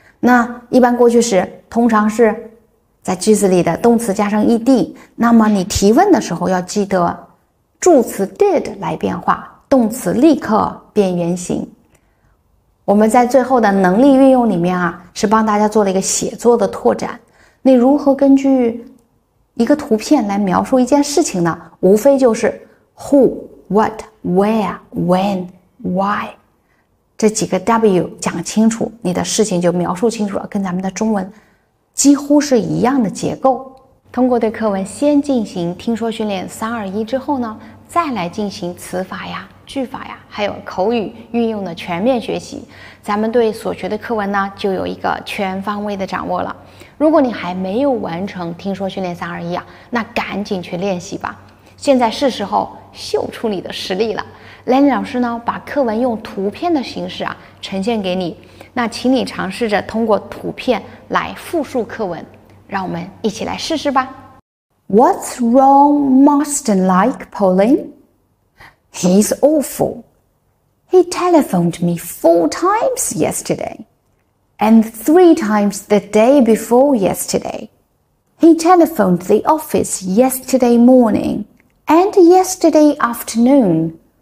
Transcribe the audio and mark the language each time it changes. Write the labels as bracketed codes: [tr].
[zh] 那一般过去时通常是在句子里的动词加上 ed， 那么你提问的时候要记得助词 did 来变化，动词立刻变原形。我们在最后的能力运用里面啊，是帮大家做了一个写作的拓展。你如何根据一个图片来描述一件事情呢？无非就是 [en] who, what, where, when, why。 [zh] 这几个 W 讲清楚，你的事情就描述清楚了，跟咱们的中文几乎是一样的结构。通过对课文先进行听说训练321之后呢，再来进行词法呀、句法呀，还有口语运用的全面学习，咱们对所学的课文呢就有一个全方位的掌握了。如果你还没有完成听说训练321啊，那赶紧去练习吧，现在是时候秀出你的实力了。 Lenny 老师呢，把课文用图片的形式啊呈现给你，那请你尝试着通过图片来复述课文，让我们一起来试试吧。 [en] What's wrong, Marston like, Pauline? He's awful. He telephoned me 4 times yesterday, and 3 times the day before yesterday. He telephoned the office yesterday morning and yesterday afternoon.